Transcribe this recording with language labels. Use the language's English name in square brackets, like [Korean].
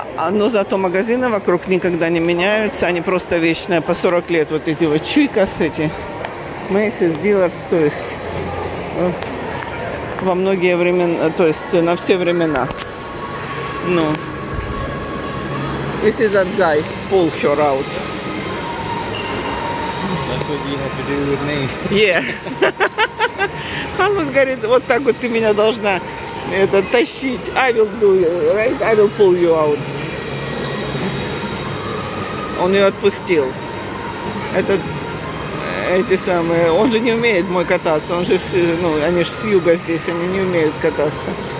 [Russian] Но зато магазины вокруг никогда не меняются, они просто вечные, по 40 лет. Вот эти вот Чуйкас эти, Мейсис, Дилерс, то есть... Во многие времена, то есть на все времена. [English] Ну. This is that guy. Pull her out. That's what you have to do with me. Yeah. [Russian] Халмут говорит, вот так вот ты меня должна это тащить. [English] I will do it, right? I will pull you out. [Russian] Он ее отпустил. Этот... Эти самые. Он же не умеет мой кататься. Он же, ну, они же с юга здесь, они не умеют кататься.